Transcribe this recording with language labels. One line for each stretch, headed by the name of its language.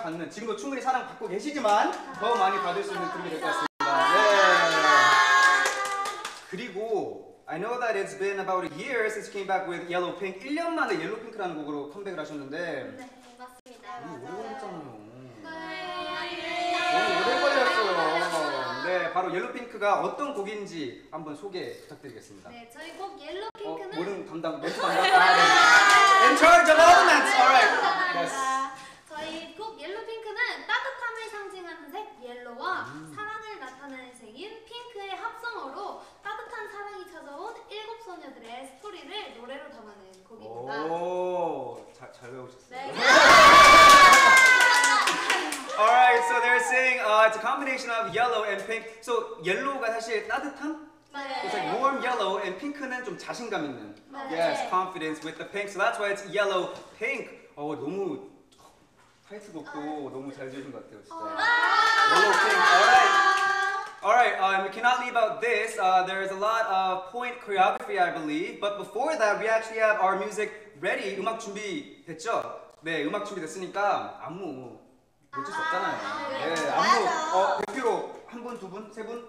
Korean: 지금도 충분히 사랑 받고 계시지만 더 많이 받을 수 있는 그룹이 될 것 같습니다. 네. 그리고
English: I know that it's been about a year since you came back with Yellow Pink.
Korean: 1년 만에 Yellow Pink라는 곡으로 컴백을 하셨는데. 네, 맞습니다. 너무 오래 걸렸어요. 네, 바로 Yellow Pink가 어떤 곡인지 한번 소개 부탁드리겠습니다. 네, 저희 곡 Yellow Pink는 모든 담당 멘트 담당 다 네.
English: In charge of all elements. All right. Yes.
Korean: 저희 곡 옐로핑크는 따뜻함을 상징하는 색 옐로와 사랑을 나타내는 색인 핑크의 합성어로 따뜻한 사랑이 찾아온 일곱 소녀들의 스토리를 노래로 담아낸 곡입니다. 오, 잘 외우셨어요. 네.
English: Alright, so they're saying it's a combination of yellow and pink.
Korean: So 옐로가 사실 따뜻함? 네.
English: It's like warm yellow and pink는
Korean: 좀 자신감 있는. 네.
English: Yes, confidence with the pink. So that's why it's yellow pink.
Korean: 너무 타이틀곡도 너무 잘 지으신 것 같아요, 진짜.
English: Yellow Pink, alright. Alright, we cannot leave out this. There is a lot of point choreography, I believe. But before that, we actually have our music ready.
Korean: 음악 준비됐죠? 네, 음악 준비됐으니까 안무 놓칠 수 없잖아요. 네, 안무 대표로 한 분, 두 분, 세 분?